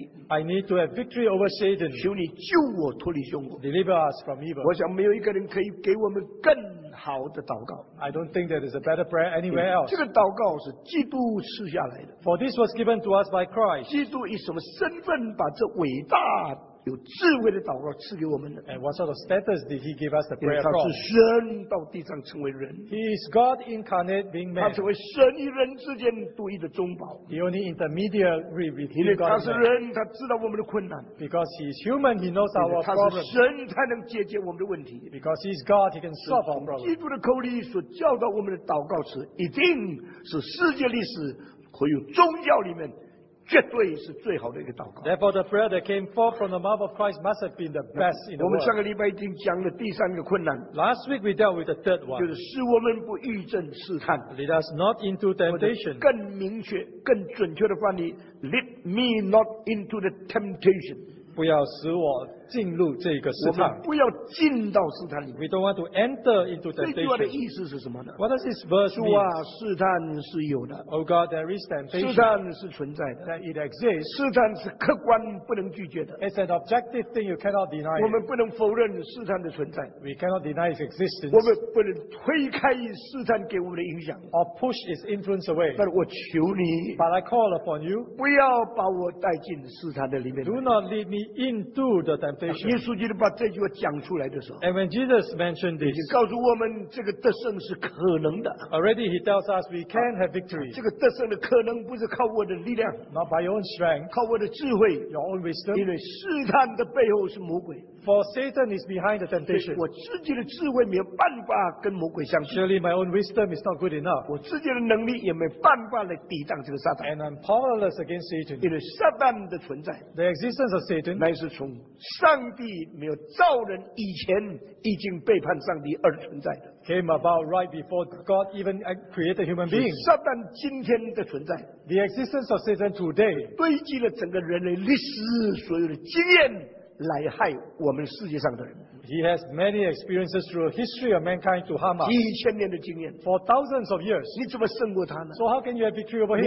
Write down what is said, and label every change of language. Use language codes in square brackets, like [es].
[en] I need to have victory over Satan. Deliver us from evil. I don't think there is a better prayer anywhere else. [zh] 这个祷告是基督赐下来的。 [en] For this was given to us by Christ. [zh] 基督以什么身份把这伟大有智慧的祷告赐给我们的？ [en] And what sort of status did he give us the prayer from? [zh] 他是神到地上成为人。 [en] He is God incarnate being man. [zh] 他成为神与人之间独一的中保。 [en] The only intermediary between God and man. [zh] 他是人，他知道我们的困难。 [en] Because he is human, he knows our problems. [zh] 他是神，才能解决我们的问题。 [en] Because he is God, he can solve our problems. [zh] 基督的口里所教导我们的祷告词，一定是世界历史和有宗教里面。绝对是最好的一个祷告。 [en] Therefore, the prayer that came forth from the mouth of Christ must have been the best in the world. [zh] 我们上个礼拜已经讲了第三个困难。 [en] Last week we dealt with the third one. [zh] 就是使我们不遇见试探。 [en] Lead us not into temptation. [zh] 更明确、更准确的翻译 [en] ，Lead me not into the temptation. [zh] 不要使我进入这个试探。我们不要进到试探里面。 [en] We don't want to enter into temptation. [zh] 这句话的意思是什么呢 [en] ？What does this verse mean? [zh] 主啊，试探是有的。 [en] Oh God, there is temptation. [zh] 试探是存在的。 [en] That it exists. [zh] 试探是客观不能拒绝的。 [en] It's an objective thing you cannot deny. [zh] 我们不能否认试探的存在。 [en] We cannot deny its existence. [zh] 我们不能推开试探给我们的影响。 [en] Or push its influence away. [zh] But 我求你。 [en] But I call upon you. [zh] 不要把我带进试探的里面。 [en] Do not lead me into the temptation. [zh] 耶稣基督把这句话讲出来的时候 [en] ，And when Jesus mentioned this， [zh] 已经告诉我们这个得胜是可能的。 [en] Already he tells us we can have victory。 [zh] 这个得胜的可能不是靠我的力量 [en] ，Not by your own strength， [zh] 靠我的智慧 [en] ，Your own wisdom。 [zh] 因为试探的背后是魔鬼。 [en] For Satan is behind the temptation. [zh] 我自己的智慧没有办法跟魔鬼相比。 [en] Surely my own wisdom is not good enough. [zh] 我自己的能力也没办法来抵挡这个撒旦。 [en] And I'm powerless against Satan. [zh] 因为撒旦的存在 [en] ，The existence of Satan， [zh] 乃是从上帝没有造人以前已经背叛上帝而存在的。 [en] Came about right before God even created human beings. [zh] 撒旦今天的存在 [en] ，The existence of Satan today， [zh] 堆积了整个人类历史所有的经验。来害我们世界上的人。 [en] He has many experiences through the history of mankind to harm us. [zh] 几千年的经验。 [en] For thousands of years. [zh] 你怎么胜过他呢 [en] ？So how can you have victory over him?